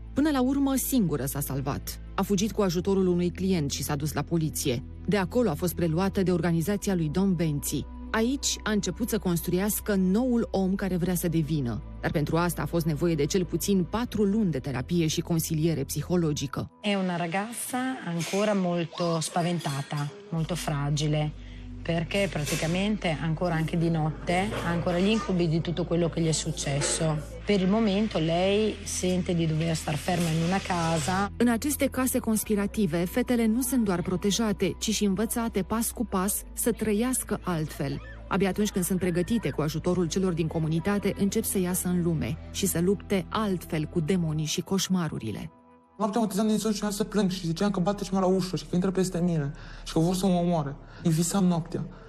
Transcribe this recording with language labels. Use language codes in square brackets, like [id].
[ro] Până la urmă, singură s-a salvat. A fugit cu ajutorul unui client și s-a dus la poliție. De acolo a fost preluată de organizația lui Don Benzi. Aici a început să construiască noul om care vrea să devină. Dar pentru asta a fost nevoie de cel puțin 4 luni de terapie și consiliere psihologică. [it] E una ragazza ancora molto spaventata, molto fragile, perché praticamente ancora anche di notte ha ancora gli incubi di tutto quello che gli è successo. Per il momento lei sente di dover star ferma in una casa. [ro] În aceste case conspirative, fetele nu sunt doar protejate, ci și învățate pas cu pas să trăiască altfel. Abia atunci când sunt pregătite cu ajutorul celor din comunitate, încep să iasă în lume și să lupte altfel cu demonii și coșmarurile. Noaptea mă trezeam din somn și să plâng și ziceam că bate ceva la ușă și că intră peste mine și că vor să mă omoare. Îi visam noaptea.